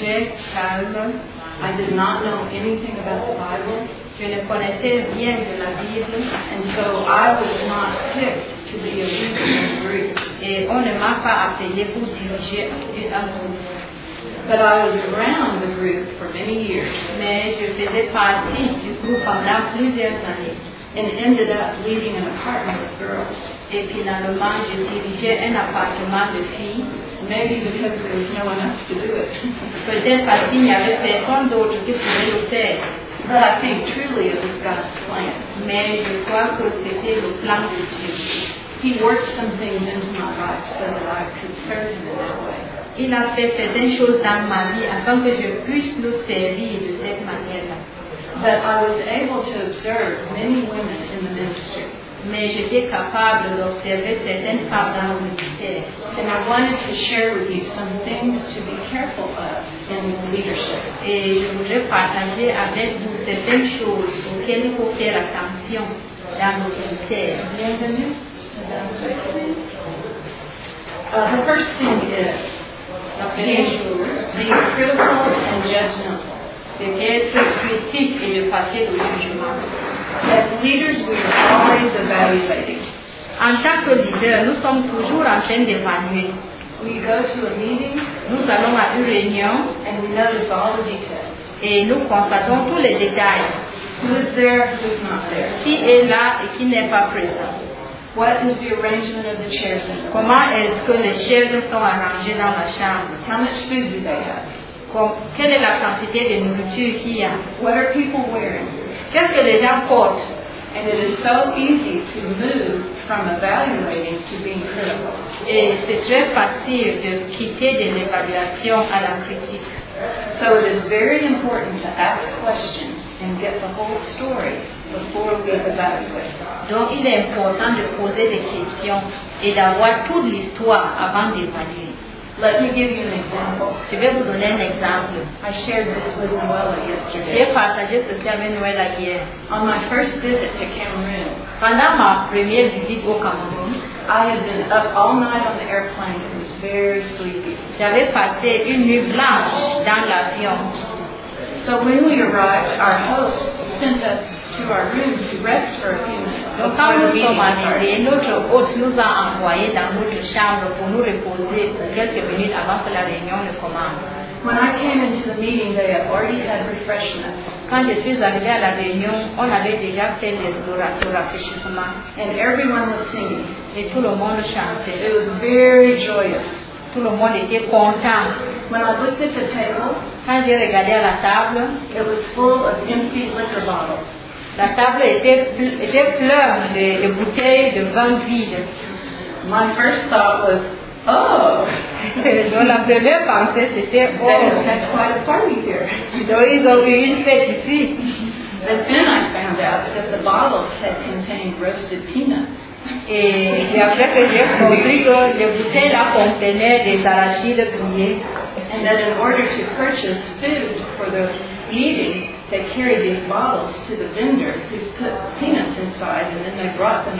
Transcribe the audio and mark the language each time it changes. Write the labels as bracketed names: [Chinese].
[English] I did not know anything about the Bible. [French] Je ne connaissais rien de la Bible. [English] And so I was not picked to be a leader in the group. [French] Et on ne m'a pas appelé pour diriger un groupe. [English] But I was around the group for many years. [French] Mais je faisais partie du groupe pendant plusieurs années. [English] And ended up leading an apartment of girls. [French] Et finalement, je dirigeais un appartement de filles. [English] Maybe because there was no one else to do it. [French] Peut-être parce qu'il n'y avait personne d'autre qui pouvait le faire. [English] But I think truly it was God's plan. [French] Mais je crois que c'était le plan de Dieu. [English] He worked some things into my life so that I could serve him in that way. [French] Il a fait certaines choses dans ma vie afin que je puisse le servir de cette manière-là. [English] But I was able to observe many women in the ministry. [French] Mais j'étais capable d'observer certaines femmes dans le ministère. [English] And I wanted to share with you some things to be careful of in leadership. [French] Et je voulais partager avec vous certaines choses auxquelles il faut faire attention dans le ministère. [English] The first thing is being critical and judgmental. [French] Être critique et de passer au jugement. [English] As leaders, we are always evaluating. [French] En tant que leader, nous sommes toujours en train d'évaluer. [English] We go to a meeting. [French] Nous allons à une réunion. [English] And we notice all the details. [French] Et nous constatons tous les détails. [English] Who is there? Who's not there? [French] Qui est là et qui n'est pas présent? [English] What is the arrangement of the chairs? [French] Comment est-ce que les chaises sont arrangées dans la chambre? [English] How much food do they have? [French] Quelle est la quantité de nourriture qu'il y a? [English] What are people wearing? [French] Qu'est-ce que les gens portent? [English] And it is so easy to move from evaluating to being critical. [French] Et c'est très facile de quitter de l'évaluation à la critique. [English] So it is very important to ask questions and get the whole story before we evaluate. [French] Donc il est important de poser des questions et d'avoir toute l'histoire avant d'évaluer. [English] Let me give you an example. [French] Je vais vous donner un exemple. [English] I shared this with Luella yesterday. [French] J'ai partagé ceci avec Luella hier. [English] On my first visit to Cameroon. [French] Pendant ma première visite au Cameroun, [English] I had been up all night on the airplane. It was very sleepy. [French] J'avais passé une nuit blanche dans l'avion. [English] So when we arrived, our host sent us to our room to rest for a few minutes. [French] Donc quand nous sommes arrivés, notre hôte nous a envoyé dans notre chambre pour nous reposer pour quelques minutes avant que la réunion ne commence. [English] When I came into the meeting, they had already had refreshments. [French] Quand je suis arrivé à la réunion, on avait déjà fait des rafraîchissements. [English] And everyone was singing. [French] Et tout le monde chantait. [English] It was very joyous. [French] Tout le monde était content. [English] When I looked at the table, [French] quand j'ai regardé à la table, [English] it was full of empty liquor bottles. [French] La table était pleine de bouteilles de vin vide. [English] My first thought was, oh! [French] Donc la première pensée c'était, oh! [English] That's quite a party here. [French] Donc ils ont eu une fête ici. [English] But then I found out that the bottles had contained roasted peanuts. [French] Et après que j'ai compris que les bouteilles là contenaient des arachides grillés. [English] And that in order to purchase food for the meeting, they carried these bottles to the vendor who put peanuts inside and then they brought them